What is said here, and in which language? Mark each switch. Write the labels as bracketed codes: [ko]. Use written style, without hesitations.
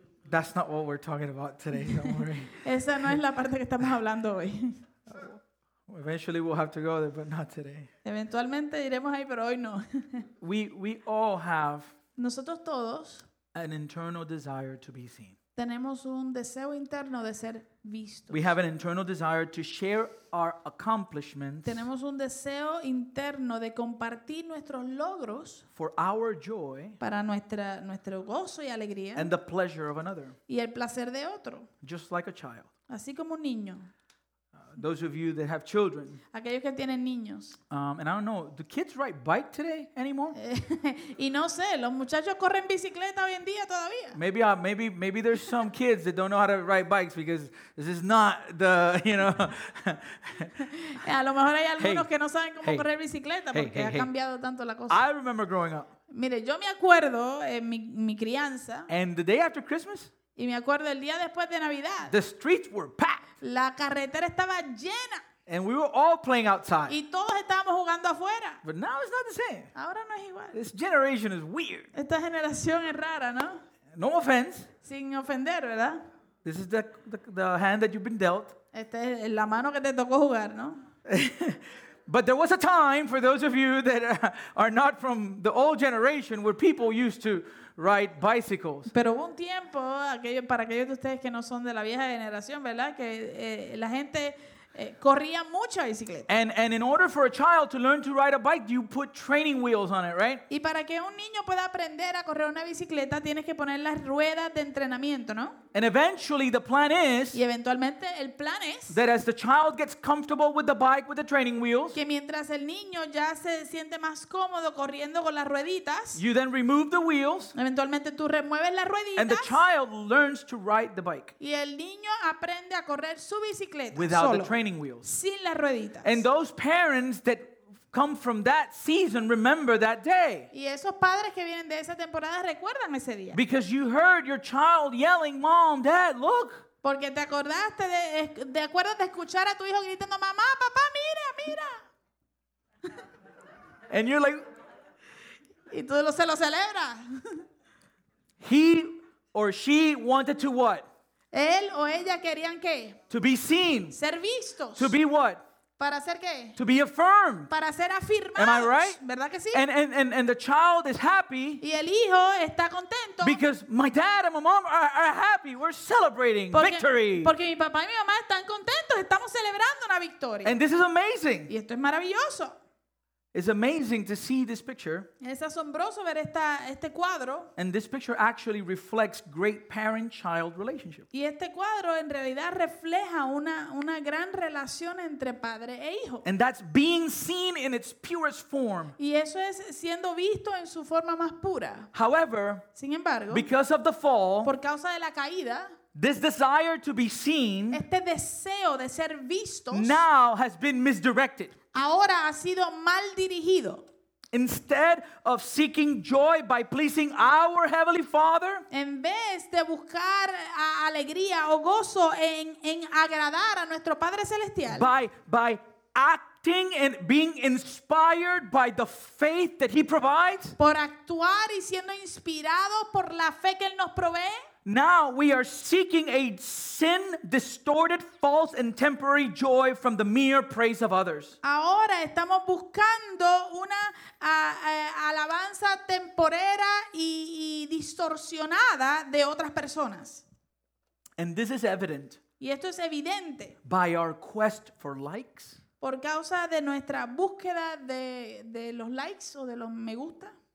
[en] That's not what we're talking about today, don't worry. [es] Esa no es la parte que estamos hablando hoy. [en] Eventually we'll have to go there, but not today. [es] Eventualmente iremos ahí, pero hoy no. [en] We all have [es] Nosotros todos [en] an internal desire to be seen. [es] Tenemos un deseo interno de ser vistos. [en] We have an internal desire to share our accomplishments. [es] Tenemos un deseo interno de compartir nuestros logros. [en] For our joy. [es] Para nuestro gozo y alegría. [en] And the pleasure of another. [es] Y el placer de otro. [en] Just like a child. [es] Así como un niño. [en] Those of you that have children. [es] Aquellos que tienen niños. [en] And I don't know, do kids ride bike today anymore? [es] Y no sé, los muchachos corren bicicleta hoy en día todavía. [en] Maybe there's some kids that don't know how to ride bikes because this is not the, you know. [es] A lo mejor hay algunos que no saben cómo correr bicicleta porque ha cambiado tanto la cosa. [en] I remember growing up. [es] Mire, yo me acuerdo en mi crianza. [en] And the day after Christmas. [es] Y me acuerdo el día después de Navidad. [en] The streets were packed. [es] La carretera estaba llena. [en] And we were all playing outside. [es] Y todos estábamos jugando afuera. [en] But now it's not the same. [es] Ahora no es igual. [en] This generation is weird. [es] Esta generación es rara, ¿no? [en] No offense. [es] Sin ofender, ¿verdad? [en] This is the hand that you've been dealt. [es] Esta es la mano que te tocó jugar, ¿no? [en] But there was a time for those of you that are not from the old generation where people used to ride bicycles. [es] Pero hubo un tiempo para aquellos de ustedes que no son de la vieja generación, ¿verdad? Que la gente corría mucho bicicleta. [en] And in order for a child to learn to ride a bike, you put training wheels on it, right? [es] Y para que un niño pueda aprender a correr una bicicleta, tienes que poner las ruedas de entrenamiento, ¿no? [en] And eventually the plan is. [es] Y eventualmente el plan es. [en] That as the child gets comfortable with the bike with the training wheels. [es] Que mientras el niño ya se siente más cómodo corriendo con las rueditas. [en] You then remove the wheels. [es] Eventualmente tú remueves las rueditas. [en] And the child learns to ride the bike. [es] Y el niño aprende a correr su bicicleta [en] without [es] solo, [en] the training wheels. [es] Sin las rueditas. [en] And those parents that come from that season, remember that day. [es] Y esos padres que vienen de esa temporada recuerdan ese día. [en] Because you heard your child yelling, "Mom, Dad, look." [es] Porque te acordaste de acuerdo de escuchar a tu hijo gritando, "Mamá, papá, mira, mira." [en] And you're like, [es] y tú se lo celebras. [en] He or she wanted to what? [es] Él o ella querían qué? [en] To be seen. [es] Ser vistos. [en] To be what? [es] Para ser qué? [en] To be affirmed. [es] Para ser afirmados. [en] Am I right? [es] ¿Verdad que sí? [en] And the child is happy. [es] Y el hijo está contento. [en] Because my dad and my mom are happy. We're celebrating victory. [es] Porque mi papá y mi mamá están contentos. Estamos celebrando una victoria. [en] And this is amazing. [es] Y esto es maravilloso. [en] It's amazing to see this picture. [es] Es asombroso ver este cuadro. [en] And this picture actually reflects great parent-child relationship. [es] Y este cuadro en realidad refleja una gran relación entre padre e hijo. [en] And that's being seen in its purest form. [es] Y eso es siendo visto en su forma más pura. [en] However, [es] sin embargo, [en] because of the fall, [es] por causa de la caída, [en] this desire to be seen, [es] este deseo de ser vistos, [en] now has been misdirected. [es] Ahora ha sido mal dirigido. [en] Instead of seeking joy by pleasing our Heavenly Father, [es] en vez de buscar alegría o gozo en agradar a nuestro Padre Celestial, [en] by acting and being inspired by the faith that He provides, [es] por actuar y siendo inspirado por la fe que Él nos provee, [en] now we are seeking a sin distorted, false, and temporary joy from the mere praise of others. [es] Ahora estamos buscando una alabanza temporera y distorsionada de otras personas. [en] And this is evident. [es] Y esto es evidente. [en] By our quest for likes. [es] Por causa de nuestra búsqueda de los likes o de los me gusta.